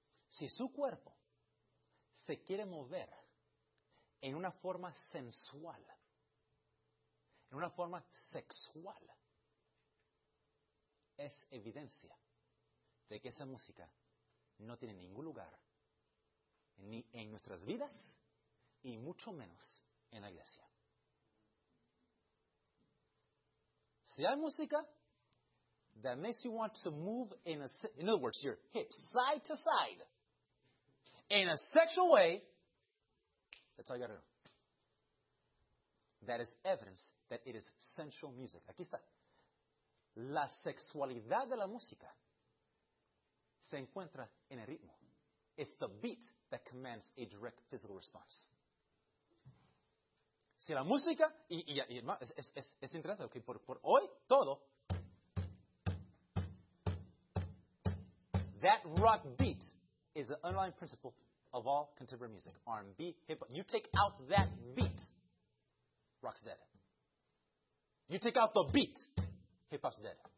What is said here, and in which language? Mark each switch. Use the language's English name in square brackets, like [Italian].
[Spanish] Si su cuerpo se quiere mover en una forma sensual, en una forma sexual, es evidencia de que esa música no tiene ningún lugar ni en nuestras vidas y mucho menos en la iglesia. Si hay música, [English] that makes you want to move in other words, your hips side to side in a sexual way, that's all you gotta know. That is evidence that it is sensual music. [Spanish] Aquí está. La sexualidad de la música se encuentra en el ritmo. [English] It's the beat that commands a direct physical response. [Spanish] Si la música, y es interesante, okay, por hoy, todo. [English] That rock beat is the underlying principle of all contemporary music. R&B, hip hop. You take out that beat, rock's dead. You take out the beat, hip hop's dead.